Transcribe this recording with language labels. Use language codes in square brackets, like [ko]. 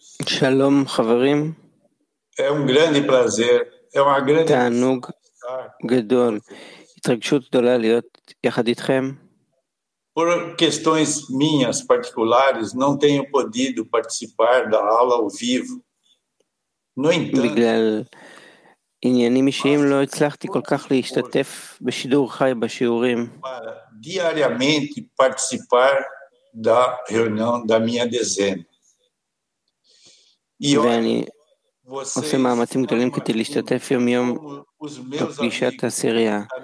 [he] Shalom, חברים. [pt] É grande prazer. É uma grande [he] תענוג גדול. התרגשות גדולה להיות יחד איתכם. [pt] Por questões minhas particulares, não tenho podido participar da aula ao vivo. No entanto, [he] בגלל עניינים אישיים לא הצלחתי כל כך להשתתף בשידור חי בשיעורים. [pt] Para diariamente participar da reunião da minha dezena. [he] E ואני vocês, עושה מאמצים גדולים כדי להשתתף יום יום בפגישת עשירייה.